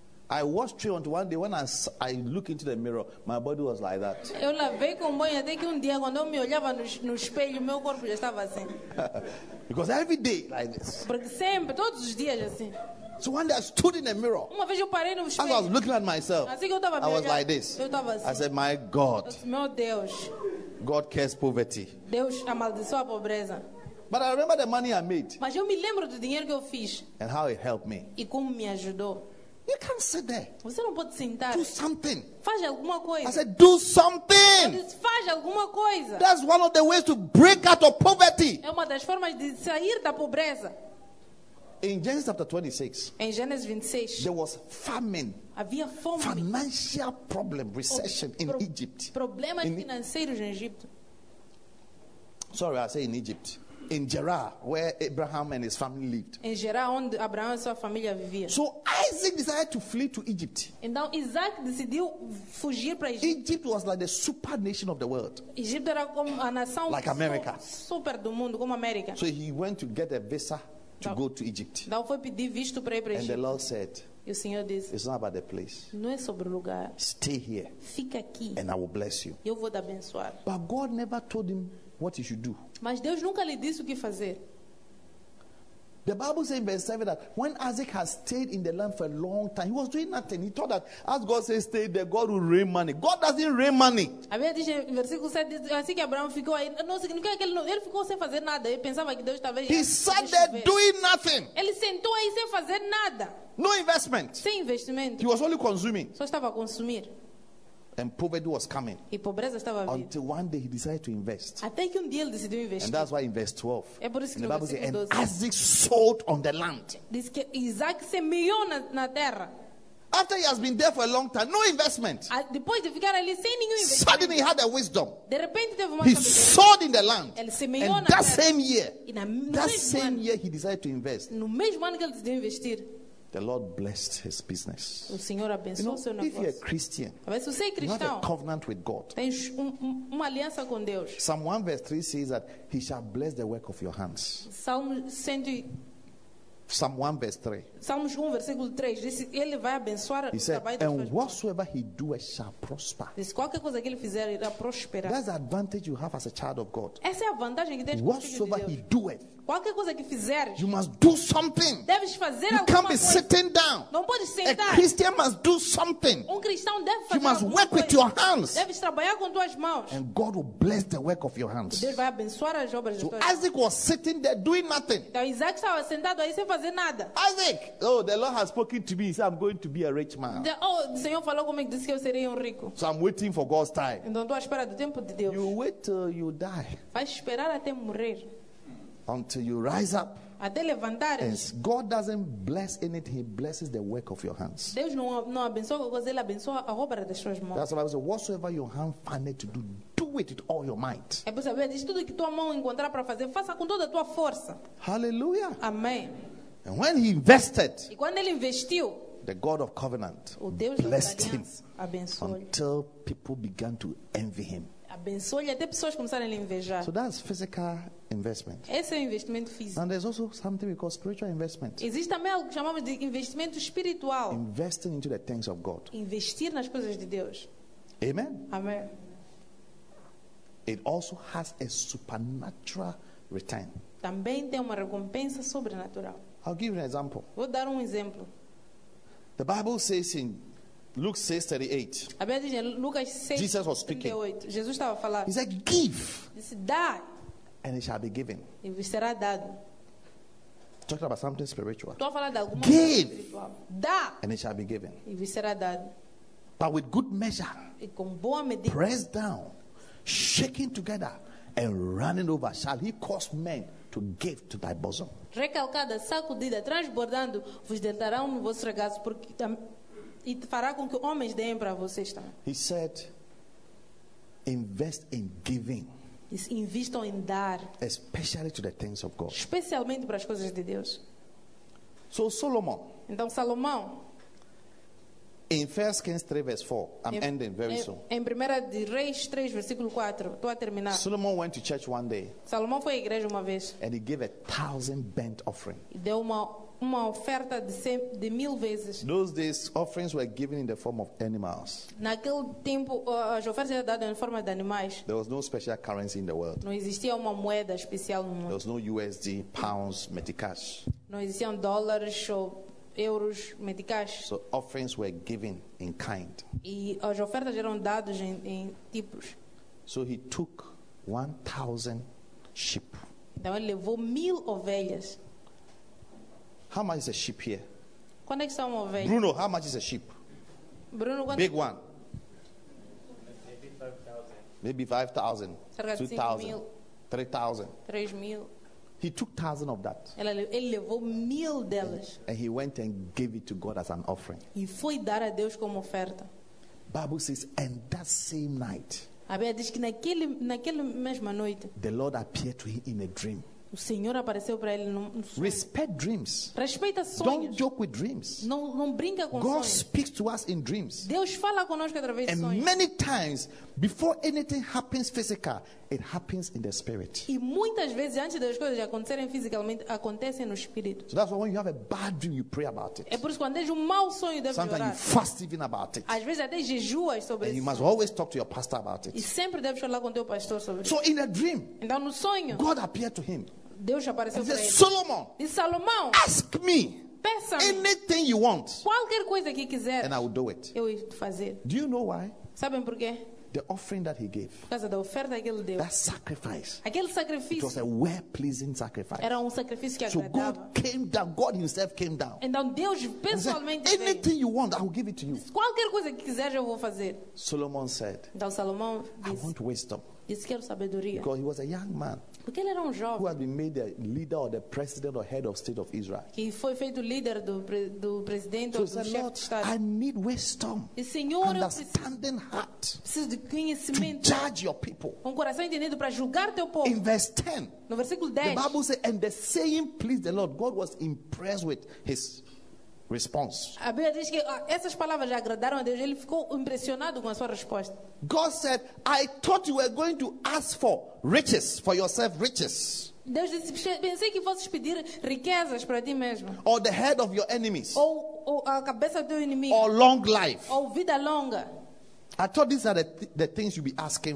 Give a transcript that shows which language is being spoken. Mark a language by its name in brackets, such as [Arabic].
[English] I washed train until one day when I look into the mirror, my body was like that. [Portuguese] Eu lavei comboio até que dia quando eu me olhava no espelho, meu corpo já estava assim. [English] Because every day like this. [Portuguese] Porque sempre, todos os dias assim. [English] So one day I stood in the mirror. [Portuguese] Uma vez eu parei no espelho. [English] As I was looking at myself. [Portuguese] Assim que eu tava [English] I was like this. [Portuguese] Eu tava assim. [English] I said, my God. [Portuguese] Meu Deus. [English] God cares poverty. [Portuguese] Deus amaldiçoa a pobreza. [English] But I remember the money I made. [Portuguese] Mas eu me lembro do dinheiro que eu fiz. [English] And how it helped me. [Portuguese] E como me ajudou. [English] You can't sit there. [Portuguese] Você não pode sentar. [English] Do something. [Portuguese] Faz alguma coisa. [English] I said, do something. [Portuguese] Faz alguma coisa. [English] That's one of the ways to break out of poverty. [Portuguese] É uma das formas de sair da pobreza. [English] In Genesis chapter 26. [Portuguese] Em Gênesis 26. [English] There was famine. [Portuguese] Havia fome. [English] Financial problem, recession in Egypt. [Portuguese] Problemas financeiros em Egito. [English] Sorry, I say in Egypt. In Gerar, where Abraham and his family lived. [Portuguese] Em Gerar, onde Abraão e sua família viviam. [English] So Isaac decided to flee to Egypt. [Portuguese] Então Isaac decidiu fugir para Egito. [English] Egypt was like the super nation of the world. [Portuguese] Egito era como a nação [English] like America. [Portuguese] Super do mundo, como América. [English] So he went to get a visa to go to Egypt. [Portuguese] Então foi pedir visto para ir para Egito. [English] And the Lord said, [Portuguese] e o Senhor disse, [English] it's not about the place. [Portuguese] Não é sobre o lugar. [English] Stay here. [Portuguese] Fica aqui. [English] And I will bless you. [Portuguese] Eu vou te abençoar. [English] But God never told him what he should do. [Portuguese] Mas Deus nunca lhe disse o que fazer. [English] The Bible says in verse 7 that when Isaac has stayed in the land for a long time, he was doing nothing. He thought that as God says stay there, God will rain money. God doesn't rain money. [Portuguese] A Bíblia diz em versículo 7, assim que Abraão ficou aí, não significa que ele ficou sem fazer nada. Ele pensava que Deus estava. [English] He sat there doing nothing. [Portuguese] Ele sentou aí sem fazer nada. [English] No investment. [Portuguese] Sem investimento. [English] He was only consuming. [Portuguese] Só estava a consumir. [English] And poverty was coming. [Portuguese] E pobreza estava vindo. [English] Until one day he decided to invest. [Portuguese] Até que dia ele decidiu investir. [English] And that's why in verse 12. [Portuguese] É por isso que [English] the Bible says, and Isaac sold on the land. [Portuguese] Diz que Isaac semeou na terra. [English] After he has been there for a long time, no investment. [Portuguese] Depois de ficar ali sem nenhum investimento. [English] Suddenly he had a wisdom. [Portuguese] De repente teve uma [English] he sold in the land. [Portuguese] Ele semeou [English] and [Portuguese] na terra. [English] That same year. He decided to invest. [Portuguese] No mesmo ano que ele decidiu investir. [English] The Lord blessed his business. [Portuguese] O Senhor abençoou, [English] you know, [Portuguese] seu negócio. [English] If you're a Christian, [Portuguese] mas você é cristão, [English] you have a covenant with God. [Portuguese] Tens uma aliança com Deus. [English] Psalm 1 verse 3 says that he shall bless the work of your hands. [Portuguese] Salmo 100, [English] Psalm 1 verse 3. [Portuguese] Salmos 1 versículo 3 diz, ele vai abençoar o trabalho [English] and whatsoever he doeth shall prosper. [Portuguese] Diz, qualquer coisa que ele fizer irá prosperar. [English] That's the advantage you have as a child of God. [Portuguese] Essa é a vantagem que tens. [English] Whatsoever he doeth. [Portuguese] Qualquer coisa que fizeres. [English] You must do something. [Portuguese] Deves fazer [English] you can't be [Portuguese] coisa. [English] Sitting down. [Portuguese] Não pode sentar. [English] A Christian must do something. [Portuguese] Cristão deve fazer. [English] You must [Portuguese] alguma [English] work [Portuguese] coisa. [English] With your hands. [Portuguese] Deves trabalhar com tuas mãos. [English] And God will bless the work of your hands. [Portuguese] Deus vai abençoar as obras [English] so [Portuguese] de tuas. [English] Isaac was sitting there doing nothing. [Portuguese] Então Isaac estava sentado aí sem fazer nada. [English] Isaac, oh, the Lord has spoken to me. He said, I'm going to be a rich man. [Portuguese] O Senhor falou comigo, disse que eu seria rico. [English] So I'm waiting for God's time. [Portuguese] Então estou esperando o tempo de Deus. [English] You wait till you die. [Portuguese] Vai esperar até morrer. [English] Until you rise up. [Portuguese] Até levantar. [English] And God doesn't bless anything, he blesses the work of your hands. [Portuguese] Deus não abençoa, mas ele abençoa a obra das suas mãos. [English] That's what I was saying. Whatsoever your hand finds to do, do it with all your might. [Portuguese] É por saber, diz tudo que tua mão encontrar para fazer, faça com toda a tua força. [English] Hallelujah. [Portuguese] Amém. [English] And when he invested, [Portuguese] e quando ele investiu, [English] the God of covenant [Portuguese] o Deus [English] blessed him [Portuguese] abençoou. [English] Until people began to envy him. [Portuguese] Abençoe até pessoas começarem a invejar. [English] So that's physical investment. [Portuguese] Esse é um investimento físico. [English] And there's also something we call spiritual investment. [Portuguese] Existe também algo que chamamos de investimento espiritual. [English] Investing into the things of God. [Portuguese] Investir nas coisas de Deus. [English] Amen. [Portuguese] Amém. [English] It also has a supernatural return. [Portuguese] Também tem uma recompensa sobrenatural. [English] I'll give you an example. [Portuguese] Vou dar exemplo. [English] The Bible says in Luke 6:38. [Portuguese] A Bíblia diz em Lucas 6:38. [English] Jesus was speaking. [Portuguese] Jesus estava a falar. [English] He said, "Give." [Portuguese] Disse, dá. [English] And it shall be given. [Portuguese] E vos será dado. [English] Talking about something spiritual. [Portuguese] Estou a falar de alguma [English] give. [Portuguese] Coisa espiritual. Dá. [English] And it shall be given. [Portuguese] E vos será dado. [English] But with good measure. [Portuguese] E com boa medida. [English] Pressed down, shaking together, and running over, shall he cause men to give to thy bosom. [Portuguese] Recalcada, sacudida, transbordando, vos deitarão no vosso regaço, porque e fará com que homens deem para vocês também. [English] He said, invest in giving. [Portuguese] Invistam em dar. [English] Especially to the things of God. [Portuguese] Especialmente para as coisas de Deus. [English] So Solomon. [Portuguese] Então Salomão. [English] In 1 Kings 3 verse 4. I'm ending very soon. [Portuguese] Em 1 de Reis 3 versículo 4. Estou a terminar. [English] Solomon went to church one day. [Portuguese] Salomão foi à igreja uma vez. [English] And he gave 1,000 burnt offering. [Portuguese] Deu uma oferta de 1,000 vezes. [English] Those days, offerings were given in the form of animals. [Portuguese] Naquele tempo, as ofertas eram dadas em forma de animais. [English] There was no special currency in the world. [Portuguese] Não existia uma moeda especial no mundo. [English] There was no USD, pounds, meticash. [Portuguese] Não existiam dólares ou euros, meticash. [English] So offerings were given in kind. [Portuguese] E as ofertas eram dadas em tipos. [English] So he took 1,000 sheep. [Portuguese] Então ele levou 1,000 ovelhas. [English] How much is a sheep here? [Portuguese] Quando é que são uma ovelha? [English] Bruno, how much is a sheep? [Portuguese] Bruno, quando [English] big one. Maybe 5,000. 2,000. 3,000. He took 1,000 of that. [Portuguese] Ele levou 1,000 delas. [English] And he went and gave it to God as an offering. [Portuguese] E foi dar a Deus como oferta. [English] Bible says, and that same night. [Portuguese] A Bíblia diz que naquela mesma noite. [English] The Lord appeared to him in a dream. [Portuguese] O Senhor apareceu para ele num sonho. [English] Respect dreams. [Portuguese] Respeita sonhos. [English] Don't joke with dreams. [Portuguese] Não brinca com [English] God [Portuguese] sonhos. [English] God speaks to us in dreams. [Portuguese] Deus fala conosco através [English] and [Portuguese] de sonhos. [English] And many times, before anything happens physical, it happens in the spirit. [Portuguese] E muitas vezes antes das coisas acontecerem fisicamente, acontecem no espírito. [English] So that's why when you have a bad dream, you pray about it. [Portuguese] É por isso que quando tens um mau sonho, deve [English] sometimes [Portuguese] orar. [English] You fast even about it. [Portuguese] Às vezes até jejuas sobre isso. [English] And you must always talk to your pastor about it. [Portuguese] E sempre deve falar com teu pastor sobre isso. [English] So in a dream, [Portuguese] então no sonho, [English] God appeared to him. [Portuguese] Deus apareceu para ele. Solomon, e Salomão, [English] ask me. [Portuguese] Peça-me. [English] Anything you want. [Portuguese] Qualquer coisa que quiser. [English] And I will do it. [Portuguese] Eu vou fazer. [English] Do you know why? [Portuguese] Sabem por quê? [English] The offering that he gave. [Portuguese] Por causa da oferta que ele deu. [English] That sacrifice. [Portuguese] Aquele sacrifício. [English] It was a well-pleasing sacrifice. [Portuguese] Era sacrifício que agradava. [English] So God came down. God himself came down. [Portuguese] Então Deus pessoalmente veio. [English] Anything you want, I will give it to you. [Portuguese] Qualquer coisa que quiser, eu vou fazer. [English] Solomon said. [Portuguese] Então Salomão disse, [English] I want wisdom. [Portuguese] Disse, quero sabedoria. [English] Because he was a young man. [Portuguese] Porque ele era jovem. [English] Who had been made the leader or the president or head of state of Israel. [Portuguese] Que foi feito líder do presidente ou do chefe de estado. [English] I need wisdom. [Portuguese] E Senhor, [English] understanding heart. [Portuguese] Preciso de conhecimento. [English] To judge your people. [Portuguese] Um coração entendido para julgar teu povo. [English] In verse 10. [Portuguese] No versículo 10. [English] The Bible says, and the saying pleased the Lord. God was impressed with his response. [Portuguese] A Bíblia diz que essas palavras já agradaram a Deus. Ele ficou impressionado com a sua resposta. [English] God said, I thought you were going to ask for riches for yourself, riches. [Portuguese] Deus disse, pensei que fosses pedir riquezas para ti mesmo. [English] Or the head of your enemies. [Portuguese] Ou a cabeça do inimigo. [English] Or long life. [Portuguese] Ou vida longa. [English] I thought these are the things you'll be asking